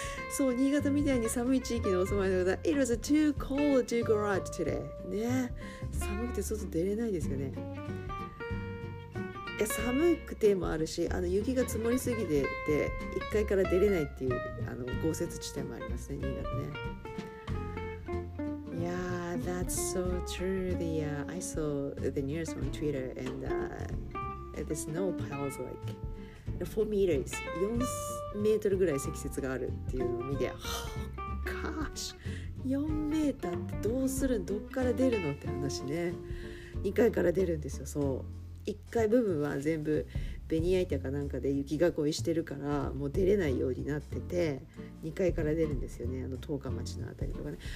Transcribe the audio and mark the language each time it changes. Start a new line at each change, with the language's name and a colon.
Japanese: そう、新潟みたいに寒い地域のお住まいの方、
English: It was too cold to go out today、
Japanese: ね、寒くて外出れないですよね。いや、寒くてもあるし、あの雪が積もりすぎてて1階から出れないっていう、あの豪雪地帯もありますね、新潟ね。
English: Yeah, that's so true. I saw the news on Twitter and the snow piles like 4 meters.
Japanese: 4メートルぐらい積雪があるっていうのを見て、
English: Oh gosh!
Japanese: 4メーターってどうするん、どっから出るのって話ね。2階から出るんですよ、そう。1階部分は全部ベニヤ板かなんかで雪囲いしてるからもう出れないようになってて、2階から出るんですよね、あの十日町のあたりとかね。